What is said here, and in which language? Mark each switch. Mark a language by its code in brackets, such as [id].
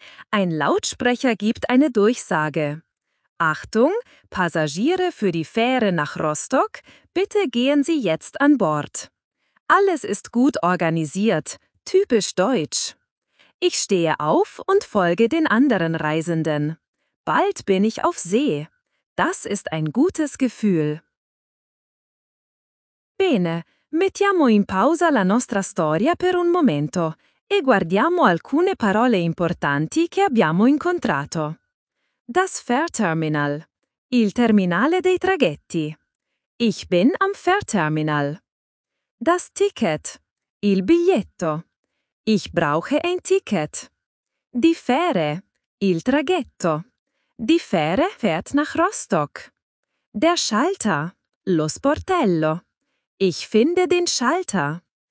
[de] Ein Lautsprecher gibt eine Durchsage. Achtung, Passagiere für die Fähre nach Rostock, bitte gehen Sie jetzt an Bord. Alles ist gut organisiert, typisch deutsch. Ich stehe auf und folge den anderen Reisenden. Bald bin ich auf See. Das ist ein gutes Gefühl. [it] Bene, mettiamo in pausa la nostra storia per un momento e guardiamo alcune parole importanti che abbiamo incontrato. [de] Das Fährterminal. [it] Il terminale dei traghetti. [de] Ich bin am Fährterminal. Das Ticket. [it] Il biglietto. [de] Ich brauche ein Ticket. Die Fähre. [it] Il traghetto. [de] Die Fähre fährt nach Rostock. Der Schalter. [it] Lo sportello. [de] Ich finde den Schalter.